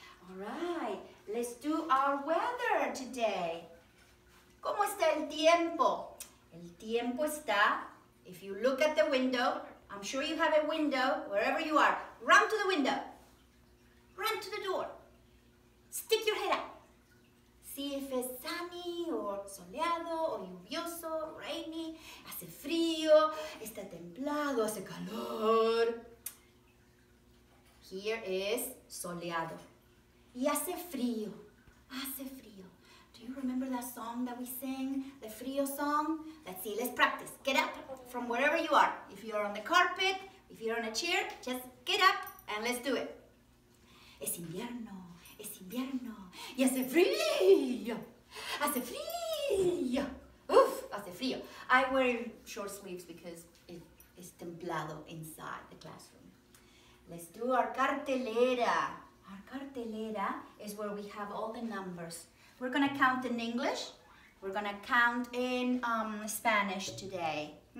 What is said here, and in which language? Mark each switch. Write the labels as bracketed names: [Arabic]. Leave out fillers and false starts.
[English] All right, let's do our weather today. [Spanish] ¿Cómo está el tiempo? El tiempo está, [English] if you look at the window, I'm sure you have a window, wherever you are, run to the window. Run to the door. Stick your head out. See if it's sunny, or [Spanish] soleado, or lluvioso, rainy, hace frío, está templado, hace calor. [English] Here is [Spanish] soleado. Y hace frío, hace frío. [English] Do you remember that song that we sang, the frío song? Let's see, let's practice. Get up from wherever you are. If you're on the carpet, if you're on a chair, just get up and let's do it. [Spanish] Es invierno. Es invierno y hace frío, hace frío, uff, hace frío. [English] I wear short sleeves because it's templado inside the classroom. Let's do our cartelera. Our cartelera is where we have all the numbers. We're going to count in English. We're going to count in Spanish today.